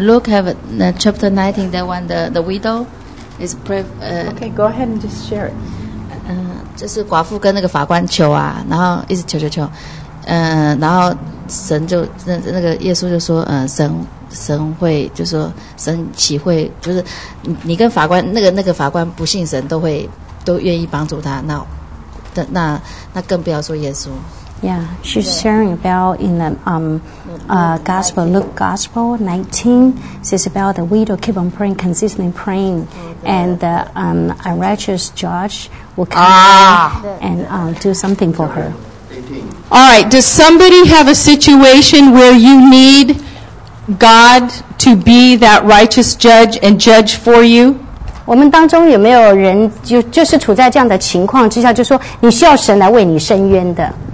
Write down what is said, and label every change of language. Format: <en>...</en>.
<en>Luke have chapter 19, that one, the widow is pray. Okay, go ahead and just share it.</en> <zh>就是寡妇跟那个法官求啊，然后一直求，然后神就那个耶稣就说，神会就说神岂会就是你跟法官那个法官不信神都愿意帮助他，那更不要说耶稣。</zh> <en>Yeah, she's sharing about in the gospel, Luke Gospel 19, says about the widow keep on praying, consistently praying, and the unrighteous judge will come and do something for her. All right, does somebody have a situation where you need God to be that righteous judge and judge for you?</en> <zh>我们当中有没有人就是处在这样的情况之下，就说你需要神来为你伸冤的？</zh>